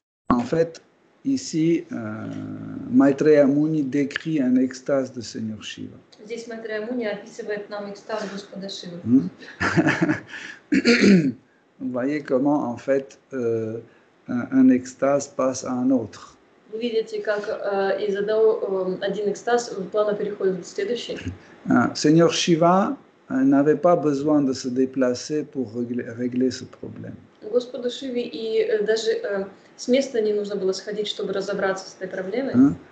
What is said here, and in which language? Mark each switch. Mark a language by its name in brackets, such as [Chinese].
[French] En fait, ici, Maitreya Muni décrit un extase de Seigneur Shiva. [Russian] Здесь Maitreya Muni описывает нам экстаз Господа Шивы. [French] Vous voyez comment, en fait, un extase passe à un autre. Vous voyez comment un extase passe à un autre. Seigneur Shiva n'avait pas besoin de se déplacer pour régler ce problème. [Russian] Господу Шиве и даже с места не нужно было сходить, чтобы разобраться с этой проблемой.